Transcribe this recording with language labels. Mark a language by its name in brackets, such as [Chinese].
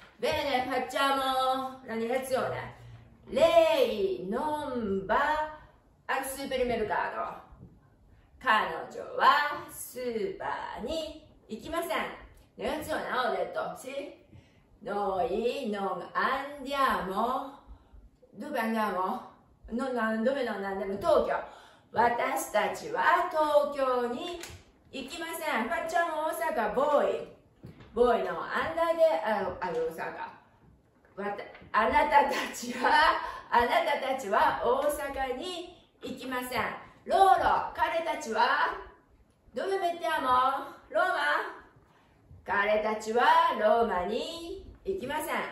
[Italian] Bene, facciamo la lezione. Lei non va al supermercato. [Japanese] 彼女はスーパーに行きません。ネガションはオーデット。 [Italian] し、noi non andiamo。Dove andiamo? Dove non andiamo? 東京。 [Japanese] 私たちは東京に行きません。 [Italian] Facciamo Osaka, voi。 Voi non andate a Osaka。 [Japanese] あなたたちは大阪に行きません。 [Italian] Loro, [Japanese] 彼たちは [Italian] dove mettiamo? Roma? [Japanese] 彼たちはローマに行きません。